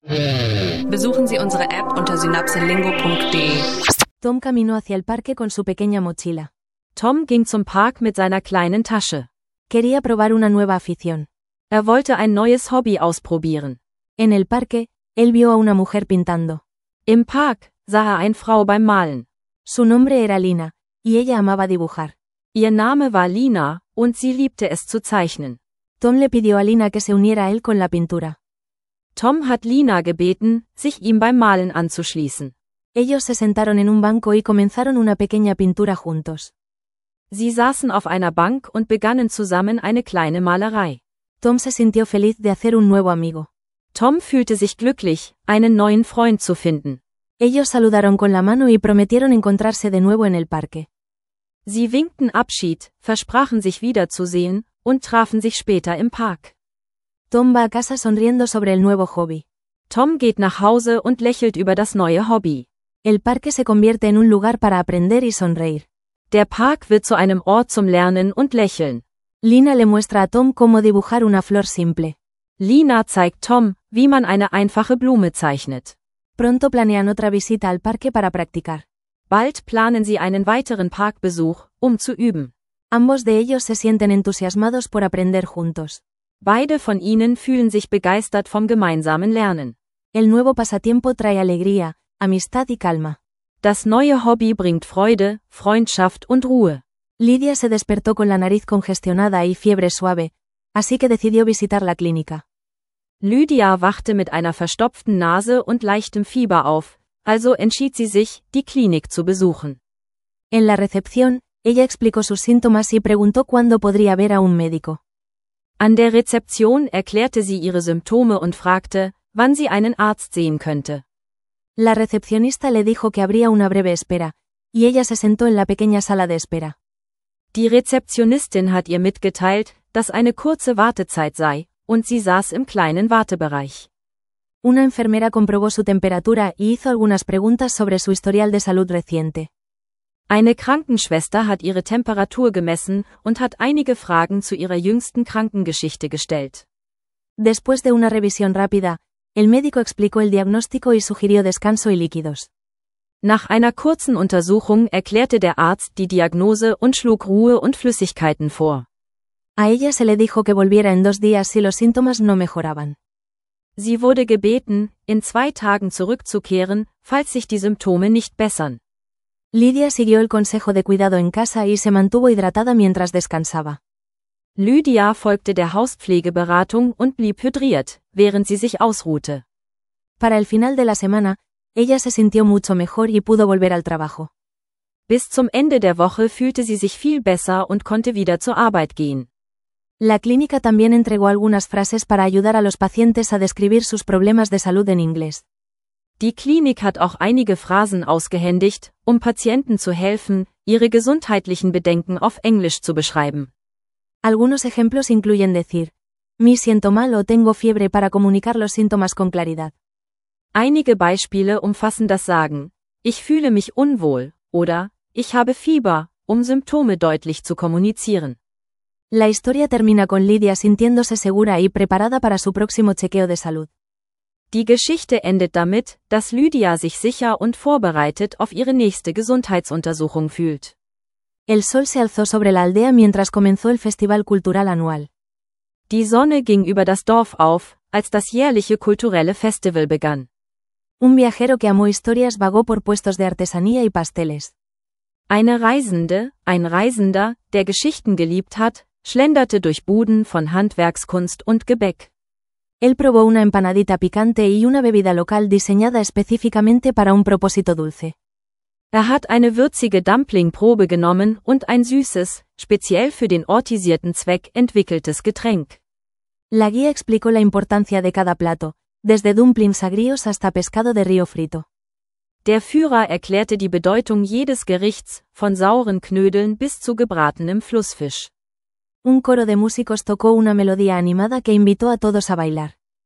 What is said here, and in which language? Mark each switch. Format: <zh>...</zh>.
<de>Besuchen Sie unsere App unter synapselingo.de.</de> <es>Tom caminó hacia el parque con su pequeña mochila.</es> <de>Tom ging zum Park mit seiner kleinen Tasche.</de> <es>Quería probar una nueva afición.</es> <de>Er wollte ein neues Hobby ausprobieren.</de> <es>En el parque, él vio a una mujer pintando.</es> <de>Im Park sah er eine Frau beim Malen.</de> <es>Su nombre era Lina, y ella amaba dibujar.</es> <de>Ihr Name war Lina, und sie liebte es zu zeichnen.</de> <es>Tom le pidió a Lina que se uniera a él con la pintura.</es> <de>Tom hat Lina gebeten, sich ihm beim Malen anzuschließen.</de> <es>Ellos se sentaron en un banco y comenzaron una pequeña pintura juntos.</es> <de>Sie saßen auf einer Bank und begannen zusammen eine kleine Malerei.</de> <es>Tom se sintió feliz de hacer un nuevo amigo.</es> <de>Tom fühlte sich glücklich, einen neuen Freund zu finden.</de> <es>Ellos saludaron con la mano y prometieron encontrarse de nuevo en el parque.</es> <de>Sie winkten Abschied, versprachen sich wiederzusehen und trafen sich später im Park.</de> <es>Tom va a casa sonriendo sobre el nuevo hobby.</es> <de>Tom geht nach Hause und lächelt über das neue Hobby.</de> <es>El parque se convierte en un lugar para aprender y sonreír.</es> <de>Der Park wird zu einem Ort zum Lernen und Lächeln.</de> <es>Lina le muestra a Tom cómo dibujar una flor simple.</es> <de>Lina zeigt Tom, wie man eine einfache Blume zeichnet.</de> <es>Pronto planean otra visita al parque para practicar.</es> <de>Bald planen sie einen weiteren Parkbesuch, um zu üben.</de> <es>Ambos de ellos se sienten entusiasmados por aprender juntos.</es> <de>Beide von ihnen fühlen sich begeistert vom gemeinsamen Lernen.</de> <es>El nuevo pasatiempo trae alegría, amistad y calma.</es> <de>Das neue Hobby bringt Freude, Freundschaft und Ruhe.</de> <es>Lidia se despertó con la nariz congestionada y fiebre suave, así que decidió visitar la clínica.</es> <de>Lydia wachte mit einer verstopften Nase und leichtem Fieber auf, also entschied sie sich, die Klinik zu besuchen.</de> <es>En la recepción, ella explicó sus síntomas y preguntó cuándo podría ver a un médico.</es> <de>An der Rezeption erklärte sie ihre Symptome und fragte, wann sie einen Arzt sehen könnte.</de> <es>La recepcionista le dijo que habría una breve espera, y ella se sentó en la pequeña sala de espera.</es> <de>Die Rezeptionistin hat ihr mitgeteilt, dass eine kurze Wartezeit sei, und sie saß im kleinen Wartebereich.</de> <es>Una enfermera comprobó su temperatura y hizo algunas preguntas sobre su historial de salud reciente.</es> <de>Eine Krankenschwester hat ihre Temperatur gemessen und hat einige Fragen zu ihrer jüngsten Krankengeschichte gestellt.</de> <es>Después de una revisión rápida, el médico explicó el diagnóstico y sugirió descanso y líquidos.</es> <de>Nach einer kurzen Untersuchung erklärte der Arzt die Diagnose und schlug Ruhe und Flüssigkeiten vor.</de> <es>A ella se le dijo que volviera en dos días si los síntomas no mejoraban.</es> <de>Sie wurde gebeten, in zwei Tagen zurückzukehren, falls sich die Symptome nicht bessern.</de> <es>Lydia siguió el consejo de cuidado en casa y se mantuvo hidratada mientras descansaba.</es> <de>Lydia folgte der Hauspflegeberatung und blieb hydriert, während sie sich ausruhte.</de> <es>Para el final de la semana, ella se sintió mucho mejor y pudo volver al trabajo.</es> <de>Bis zum Ende der Woche fühlte sie sich viel besser und konnte wieder zur Arbeit gehen.</de> <es>La clínica también entregó algunas frases para ayudar a los pacientes a describir sus problemas de salud en inglés.</es> <de>Die Klinik hat auch einige Phrasen ausgehändigt, um Patienten zu helfen, ihre gesundheitlichen Bedenken auf Englisch zu beschreiben.</de> <es>Algunos ejemplos incluyen decir, "Me siento mal" o "tengo fiebre" para comunicar los síntomas con claridad.</es> <de>Einige Beispiele umfassen das Sagen, "Ich fühle mich unwohl" oder "Ich habe Fieber", um Symptome deutlich zu kommunizieren.</de> <es>La historia termina con Lydia sintiéndose segura y preparada para su próximo chequeo de salud.</es> <de>Die Geschichte endet damit, dass Lydia sich sicher und vorbereitet auf ihre nächste Gesundheitsuntersuchung fühlt.</de> <es>El sol se alzó sobre la aldea mientras comenzó el festival cultural anual.</es> <de>Die Sonne ging über das Dorf auf, als das jährliche kulturelle Festival begann.</de> <es>Un viajero que amó historias vagó por puestos de artesanía y pasteles.</es> <de>Eine Reisende, ein Reisender, der Geschichten geliebt hat, schlenderte durch Buden von Handwerkskunst und Gebäck.</de> <es>Él probó una empanadita picante y una bebida local diseñada específicamente para un propósito dulce.</es> <de>Er hat eine würzige Dumplingprobe genommen und ein süßes, speziell für den ortisierten Zweck entwickeltes Getränk.</de> <es>La guía explicó la importancia de cada plato, desde dumplings agrios hasta pescado de río frito.</es> <de>Der Führer erklärte die Bedeutung jedes Gerichts, von sauren Knödeln bis zu gebratenem Flussfisch.</de> <es>Un coro de músicos tocó una melodía animada que invitó a todos a bailar.</es>